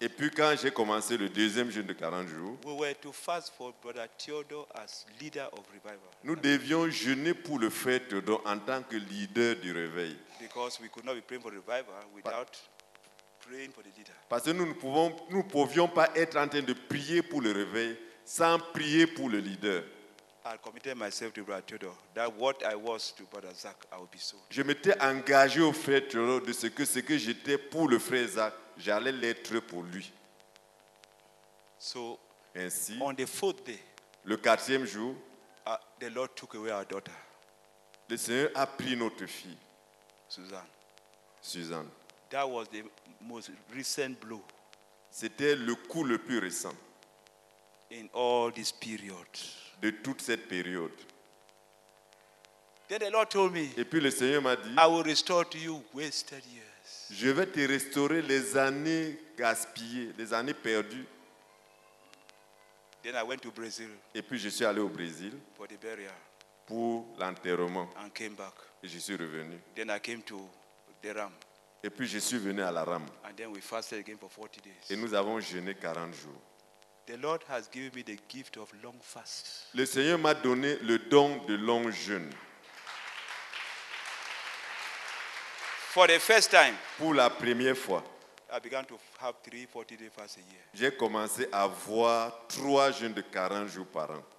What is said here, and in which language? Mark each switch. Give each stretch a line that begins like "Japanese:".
French: Et puis quand j'ai commencé le deuxième jeûne de 40 jours,
English: we were to fast for Brother Theodore as leader of revival.
French: Nous devions jeûner pour le frère Theodore en tant que leader du réveil.
English: Because we could not be praying for revival without praying for the leader.
French: Parce que nous ne pouvions pas être en train de prier pour le réveil sans prier pour le leader.
English: I committed myself to Brother Theodore that what I was to Brother Zach, I would be so.
French: Je m'étais engagé au frère Theodore de ce que j'étais pour le frère Zach, j'allais l'être pour lui.
English: So,
French: ainsi,
English: on the fourth day,
French: le quatrième jour,
English: the Lord took away our daughter.
French: Le Seigneur a pris notre fille,
English: Suzanne. That was the most recent blow.
French: C'était le coup le plus récent.
English: In all this period.
French: De toute cette période.
English: Then the Lord told me,
French: et puis le Seigneur m'a dit,
English: I will restore to you wasted years.
French: Je vais te restaurer les années gaspillées, les années perdues.
English: Then I went to Brazil.
French: Et puis je suis allé au Brésil
English: for the burial.
French: Pour l'enterrement.
English: And came back.
French: Et je suis revenu.
English: Then I came to the ram.
French: Et puis je suis venu à la rame.
English: And then we fasted again for 40 days.
French: Et nous avons jeûné 40 jours.
English: The Lord has given me the gift of long fast.
French: Le Seigneur m'a donné le don de long jeûne.
English: For the first time,
French: pour la première fois,
English: I began to have 3 40-day fasts a year.
French: J'ai commencé à avoir 3 jeûnes de 40 jours par an.